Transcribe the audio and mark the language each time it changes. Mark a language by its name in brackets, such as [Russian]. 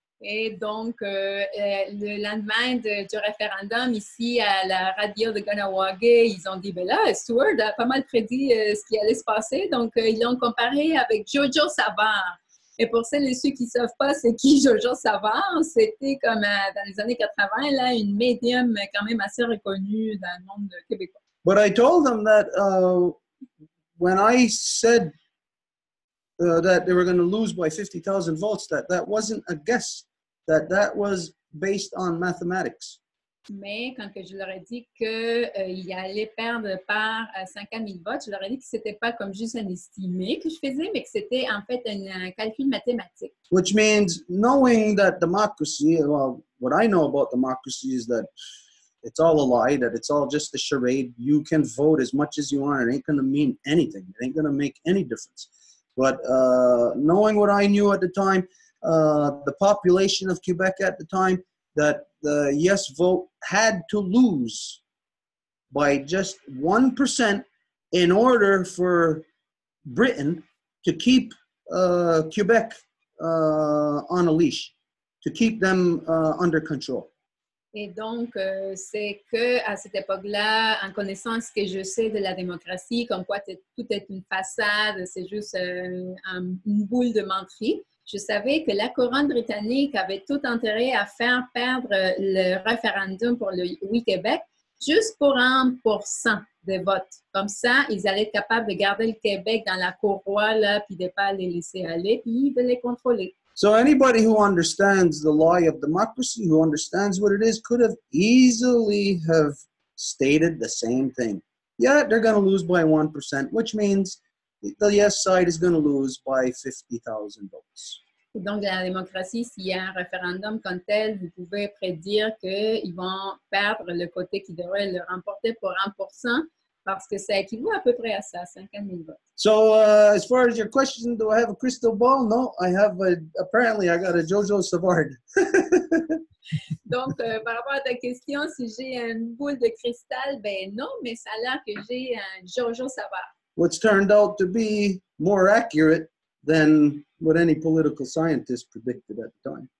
[French] Et donc, le lendemain du référendum, ici, à la radio de Ganawagi, ils ont dit, ben là, Stuart a pas mal prédit ce qui allait se passer, donc ils l'ont comparé avec Jojo Savard. Et pour celles et ceux qui ne savent pas c'est qui Jojo Savard, c'était comme dans les années 80, là, une médium quand même assez reconnue dans le monde québécois. [English] But I told them that when I said that they were going to lose by 50,000 volts, that that wasn't a guess, that that was based on mathematics. [French] Mais quand que je leur ai dit qu'ils allaient perdre par 50 000 votes, je leur ai dit que ce n'était pas comme juste un estimé que je faisais, mais que c'était en fait un calcul mathématique. [English] Which means knowing that democracy, well, what I know about democracy is that it's all a lie, that it's all just a charade. You can vote as much as you want. It ain't going to mean anything. It ain't going to make any difference. But knowing what I knew at the time, the population of Quebec at the time, that the yes vote had to lose by just 1% in order for Britain to keep Quebec on a leash, to keep them under control. [French] Et donc, c'est que à cette époque-là, en connaissant ce que je sais de la démocratie, comme quoi tout est une façade, c'est juste une boule de menterie. Je savais que la couronne britannique avait tout intérêt à faire perdre le référendum pour le Oui Québec juste pour 1% de vote. Comme ça, ils allaient être capables de garder le Québec dans la courroie, là, puis de ne pas les laisser aller, puis de les contrôler. [English] So anybody who understands the lie of democracy, who understands what it is, could have easily have stated the same thing. yeah, they're going to lose by 1%, which means the yes side is going to lose by 50,000 votes. [French] Donc, dans la démocratie, s'il y a un référendum comme tel, vous pouvez prédire qu'ils vont perdre le côté qui devrait le remporter pour 1%, parce que ça équivaut à peu près à ça, 50 000 votes. [English] So, as far as your question, do I have a crystal ball? No, I have a, apparently I got a Jojo Savard. [French] Donc, par rapport à ta question, si j'ai une boule de cristal, ben non, mais ça a l'air que j'ai un Jojo Savard. [English] Which turned out to be more accurate than what any political scientist predicted at the time.